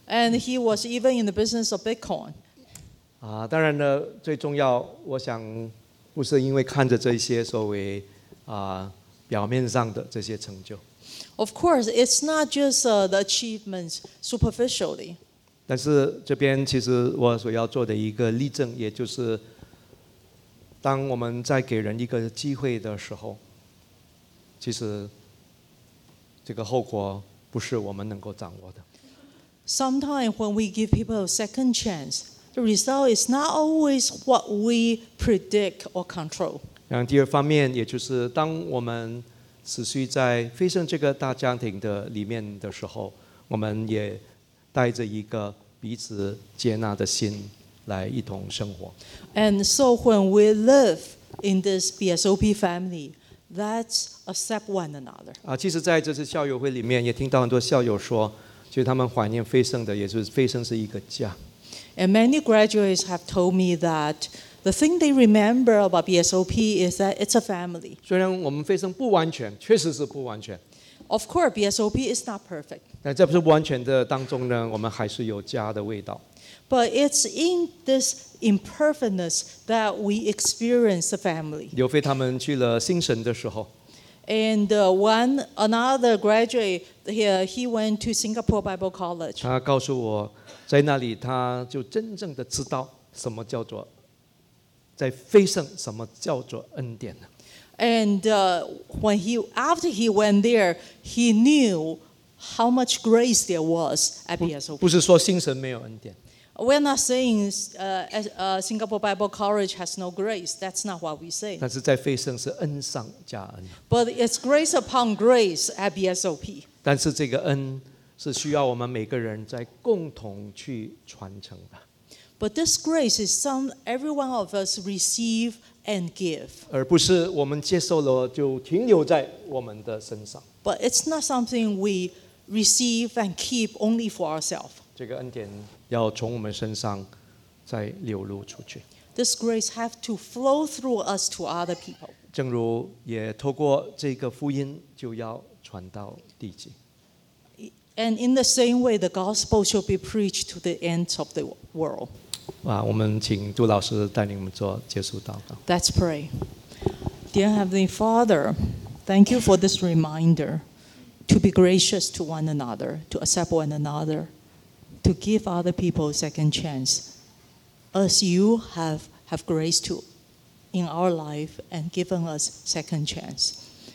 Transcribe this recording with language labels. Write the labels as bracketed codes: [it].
[en] And he was even in the business of Bitcoin. [zh] 当然呢，最重要，我想不是因为看着这些所谓表面上的这些成就。 [en] Of course, it's not just the achievements superficially. [zh] 但是这边其实我所要做的一个例证，也就是当我们在给人一个机会的时候，其实这个后果不是我们能够掌握的。 [en] Sometimes when we give people a second chance, the result is not always what we predict or control. [zh] 然后第二方面，也就是当我们持续在飞升这个大家庭的里面的时候，我们也带着一个彼此接纳的心来一同生活。 [en] And so when we live in this BSOP family, let's accept one another. [zh] 其实在这次校友会里面也听到很多校友说，其实他们怀念飞升的，也就是飞升是一个家。 [en] And many graduates have told me that. The thing they remember about BSOP is that it's a family. [zh] 虽然我们飞升不完全，确实是不完全。 [en] Of course, BSOP is not perfect. [zh] 但在不是不完全的当中呢，我们还是有家的味道。 [en] But it's in this imperfectness that we experience the family. [zh] 刘飞他们去了新神的时候。 And one another graduate here, he went to Singapore Bible College. 他告诉我，在那里他就真正的知道什么叫做。在飞升什么叫做恩典呢 [en] ？And after he went there, he knew how much grace there was at BSOP. [zh] 不是说新神没有恩典。 [en] We're not saying Singapore Bible College has no grace. That's not what we say. [zh] 但是在飞升是恩上加恩。 [en] But it's grace upon grace at BSOP. [zh] 但是这个恩是需要我们每个人在共同去传承的。 [en] But this grace is some every one of us receive and give. [zh] 而不是我们接受了就停留在我们的身上。 [en] But it's not something we receive and keep only for ourselves. [zh] 这个恩典要从我们身上再流露出去。 [en] This grace has to flow through us to other people. [zh] 正如也透过这个福音就要传到地极。 [en] And in the same way, the gospel shall be preached to the ends of the world. [zh] 我们请杜老师带领我们做结束祷告。 [en] Let's pray. Dear Heavenly Father, thank you for this reminder to be gracious to one another, to accept one another, to give other people a second chance, as you have grace to in our life and given us second chance.